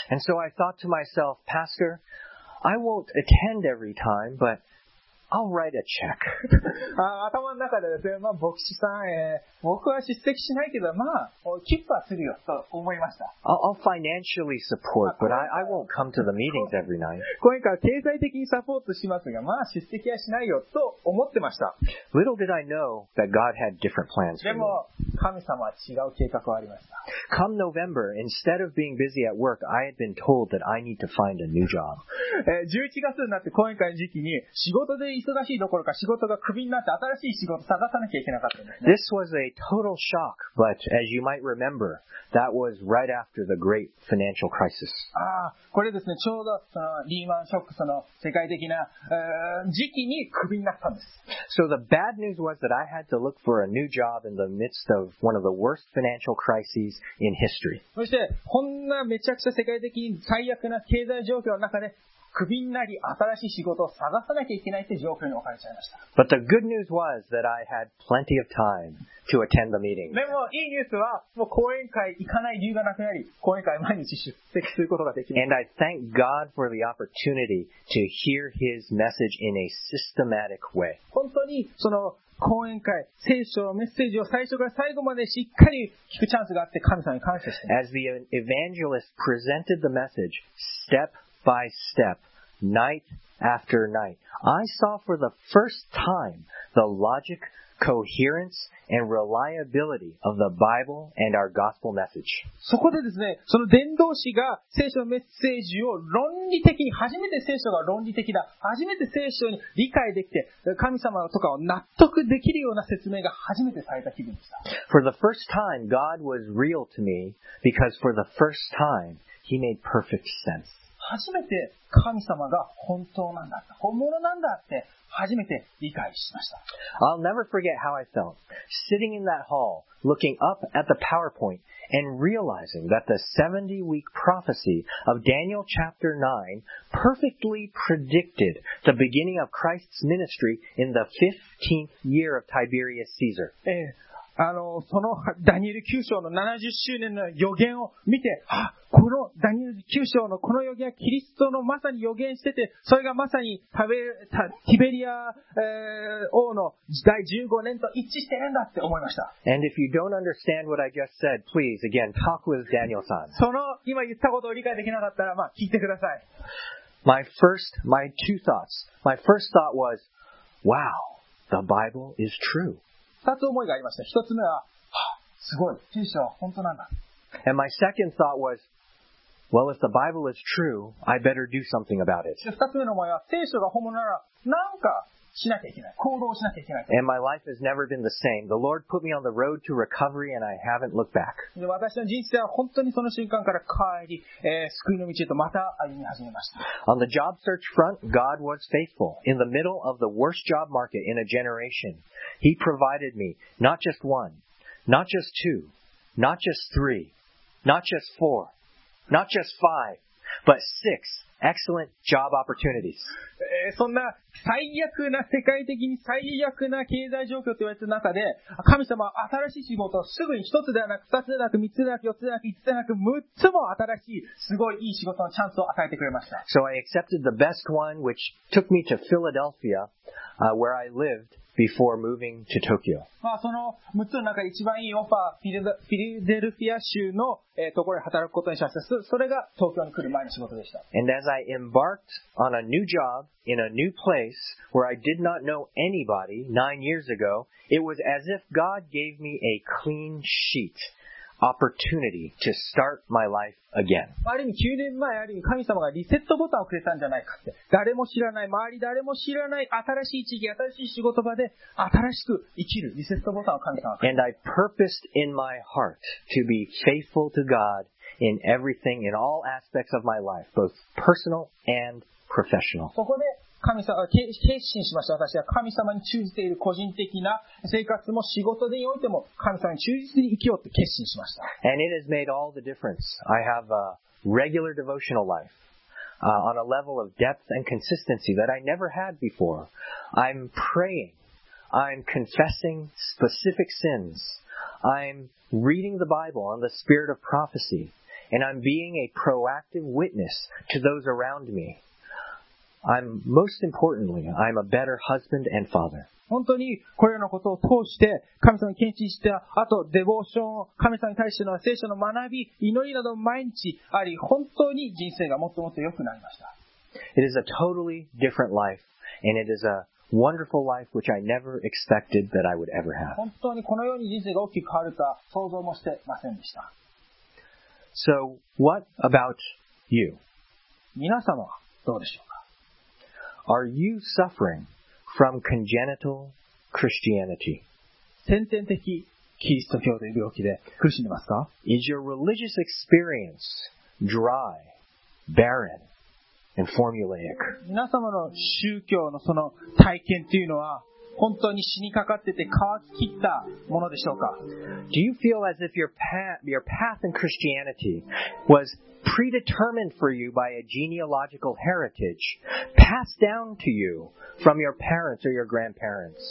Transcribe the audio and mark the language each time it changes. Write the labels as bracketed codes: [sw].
[en] And so I thought to myself, Pastor,I won't attend every time, but I'll write a check. [ja] 頭の中でですね、まあ、牧師さん、僕は出席しないけど、まあ、寄付はするよと思いました。 [en] I'll financially support, but I won't come to the meetings every night. [ja] 講演会は経済的にサポートしますが、まあ、出席はしないよと思ってました。 [en] Little did I know that God had different plans for me. [ja] でも、神様は違う計画がありました。 [en] Come November, instead of being busy at work, I had been told that I need to find a new job. [ja] 11月になって講演会の時期に仕事で忙しいどころか仕事がクビになって新しい仕事を探さなきゃいけなかったんですね。 [en] This was a total shock, but as you might remember, that was right after the great financial crisis. [ja] ああ、これですね、ちょうどそのリーマンショック、その世界的な、時期にクビになったんです。 [en] So the bad news was that I had to look for a new job in the midst of one of the worst financial crises in history. [ja] そして、こんなめちゃくちゃ世界的に最悪な経済状況の中で、クビになり新しい仕事を探さなきゃいけないという状況に置かれちゃいました。 [en] But the good news was that I had plenty of time to attend the meeting. [ja] でも、いいニュースは、もう講演会行かない理由がなくなり、講演会毎日出席することができました。 [en] And I thank God for the opportunity to hear His message in a systematic way. [ja] 本当に、その、講演会、聖書のメッセージを最初から最後までしっかり聞くチャンスがあって、神様に感謝しています。 [en] As the evangelist presented the message, step by step, night after night, I saw for the first time the logic, coherence, and reliability of the Bible and our gospel message. [ja] そこでですね、その伝道師が聖書のメッセージを論理的に、初めて聖書が論理的だ、初めて聖書に理解できて、神様とかを納得できるような説明が初めてされた気分でした。 [en] For the first time, God was real to me because for the first time, He made perfect sense. [ja] 初めて神様が本当なんだ、本物なんだって初めて理解しました。 [en] I'll never forget how I felt sitting in that hall, looking up at the PowerPoint and realizing that the 70-week prophecy of Daniel chapter 9 perfectly predicted the beginning of Christ's ministry in the 15th year of Tiberius Caesar. [ja] そのダニエル9章の70周年の予言を見て、あ、このダニエル9章のこの予言はキリストのまさに予言してて、それがまさにティベリア、王の時代15年と一致してるんだって思いました。 [en] And if you don't understand what I just said, please, again, talk with Daniel-san. [ja] その今言ったことを理解できなかったら、まあ聞いてください。 [en] My first thought was, wow, the Bible is true. [ja] 二つ思いがありました。一つ目は、すごい、聖書は本当なんだ。 [en] And my second thought was, well, if the Bible is true, I better do something about it. [ja] 二つ目の思いは、聖書が本物なら、なんかしなきゃいけない。行動しなきゃいけない。 [en] And my life has never been the same. The Lord put me on the road to recovery and I haven't looked back. [ja] 私の人生は本当にその瞬間から帰り、救いの道へとまた歩み始めました。 [en] On the job search front, God was faithful. In the middle of the worst job market in a generation,He provided me not just one, not just two, not just three, not just four, not just five, but six excellent job opportunities. [ja] そんな最悪な世界的に最悪な経済状況と言われた中で、神様は新しい仕事をすぐに一つではなく、二つではなく、三つではなく、四つではなく、五つではなく、六つも新しい、すごいいい仕事のチャンスを与えてくれました。 [en] So I accepted the best one, which took me to Philadelphia, where I lived. Before moving to Tokyo. [ja] まあ、その6つの中で一番いいオファー、フィルデルフィア州のところで働くことにしました。それが東京に来る前の仕事でした。 [en] And as I embarked on a new job in a new place where I did not know anybody 9 years ago, it was as if God gave me a clean sheet. Opportunity to start my life again. [ja] ある意味9年前、ある意味神様がリセットボタンをくれたんじゃないかって、誰も知らない、周り誰も知らない新しい地域、新しい仕事場で新しく生きるリセットボタンを神様がくれた。 [en] And I purposed in my heart to be faithful to God in everything, in all aspects of my life, both personal and professional. [ja] そこで神様が決心しました。私は神様に忠実でいる個人的な生活も仕事でおいても神様に忠実に生きようと決心しました。 [en] And it has made all the difference. I have a regular devotional life. On a level of depth and consistency that I never had before. I'm praying. I'm confessing specific sins. I'm reading the Bible on the spirit of prophecy. And I'm being a proactive witness to those around me. I'm most importantly, I'm a better husband and father. [ja] 本当にこれらのことを通して神様に献身して、あとデボーション、神様に対しての聖書の学び、祈りなど毎日あり、本当に人生がもっともっと良くなりました。 [en] It is a totally different life, and it is a wonderful life which I never expected that I would ever have. [ja] 本当にこのように人生が大きく変わるか想像もしてませんでした。 [en] So, what about you? [ja] 皆様はどうでしょう？ [en] Are you suffering from congenital Christianity? [ja] 先天的キリスト教という病気で苦しんでますか? [en] Is your religious experience dry, barren, and formulaic? [ja] 皆様の宗教のその体験というのは本当に死にかかってて乾ききったものでしょうか? [en] Do you feel as if your path in Christianity was predetermined for you by a genealogical heritage passed down to you from your parents or your grandparents?